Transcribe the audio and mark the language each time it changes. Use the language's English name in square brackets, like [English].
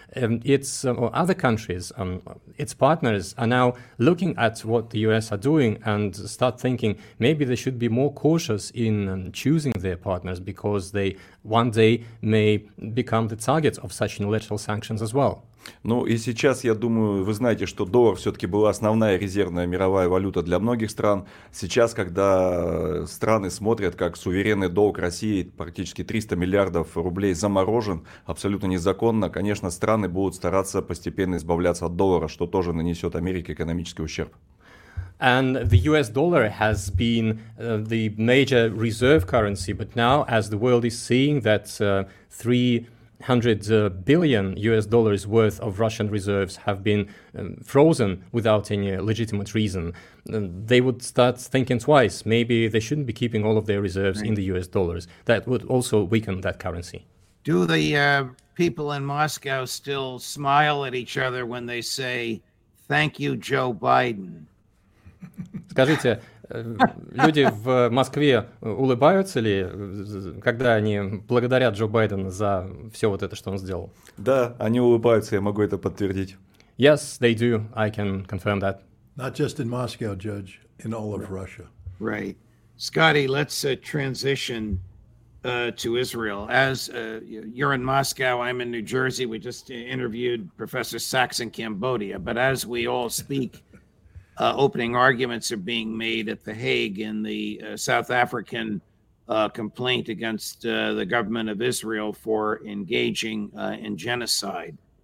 [English] And its other countries, its partners, are now looking at what the US are doing and start thinking maybe they should be more cautious in choosing their partners because they one day may become the targets of such unilateral sanctions as well. [Russian] Ну и сейчас, я думаю, вы знаете, что доллар все-таки была основная резервная мировая валюта для многих стран. Сейчас, когда страны смотрят, как суверенный долг России, практически 300 миллиардов рублей, заморожен абсолютно незаконно, конечно, страны будут стараться постепенно избавляться от доллара, что тоже нанесет Америке экономический ущерб. [English] And the US dollar has been the major reserve currency, but now as the world is seeing that 300 billion US dollars worth of Russian reserves have been frozen without any legitimate reason, they would start thinking twice. Maybe they shouldn't be keeping all of their reserves right in the US dollars. That would also weaken that currency. Do the people in Moscow still smile at each other when they say, "Thank you, Joe Biden"? [Russian] Скажите, люди в Москве улыбаются ли, когда они благодарят Джо Байдена за все вот это, что он сделал? Да, они улыбаются, я могу это подтвердить. [English] Yes, they do. I can confirm that. Not just in Moscow, Judge, in all of Russia. Right. Scotty, let's transition to Israel. As you're in Moscow, I'm in New Jersey. We just interviewed Professor Sachs in Cambodia. But as we all speak, opening arguments are being made at The Hague in the South African complaint against the government of Israel for engaging in genocide.